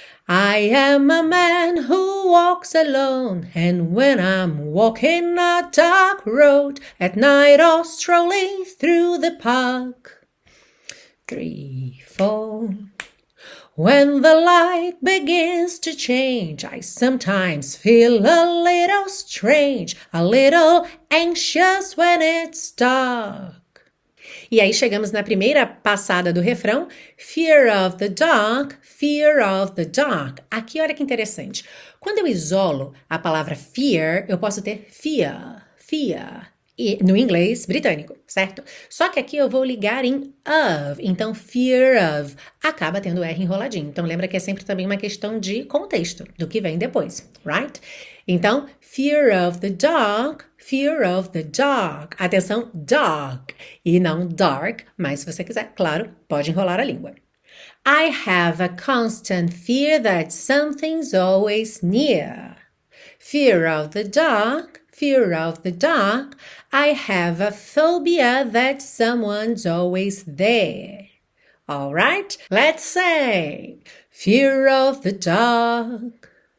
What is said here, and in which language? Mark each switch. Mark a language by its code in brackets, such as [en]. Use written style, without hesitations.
[en] I am a man who walks alone, and when I'm walking a dark road, at night or strolling through the park. 3, 4. When the light begins to change, I sometimes feel a little strange, a little anxious when it's dark. [pt] E aí chegamos na primeira passada do refrão, [en] fear of the dark, fear of the dark. [pt] Aqui olha que interessante, quando eu isolo a palavra fear, eu posso ter fear, fear, e, no inglês britânico, certo? Só que aqui eu vou ligar em of, então fear of acaba tendo R enroladinho. Então lembra que é sempre também uma questão de contexto, do que vem depois, [en] right? [pt] Então, [en] fear of the dark, fear of the dark. [pt] Atenção, dark e não dark, mas se você quiser, claro, pode enrolar a língua. [en] I have a constant fear that something's always near. Fear of the dark, fear of the dark. I have a phobia that someone's always there. All right, let's say fear of the dark.